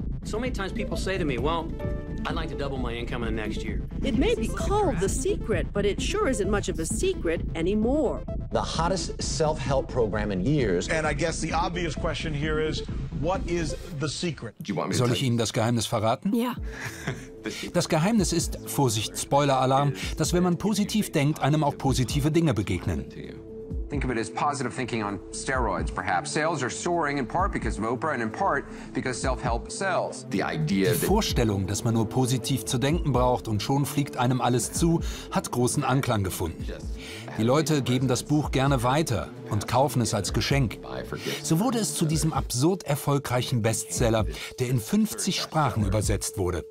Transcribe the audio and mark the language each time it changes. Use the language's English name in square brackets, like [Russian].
[English] So many times people say to me, well, I'd like to double my income in the next year. It may be called The Secret, but it sure isn't much of a secret anymore. The hottest self-help program in years. And I guess the obvious question here is, what is The Secret? [German] Soll ich Ihnen das Geheimnis verraten? Ja. Das Geheimnis ist, Vorsicht, Spoiler-Alarm, dass wenn man positiv denkt, einem auch positive Dinge begegnen. [English] Think of it as positive thinking on steroids, perhaps. Sales are soaring in part because of Oprah and in part because self-help sells. [German] Die Vorstellung, dass man nur positiv zu denken braucht und schon fliegt einem alles zu, hat großen Anklang gefunden. Die Leute geben das Buch gerne weiter und kaufen es als Geschenk. So wurde es zu diesem absurd erfolgreichen Bestseller, der in 50 Sprachen übersetzt wurde.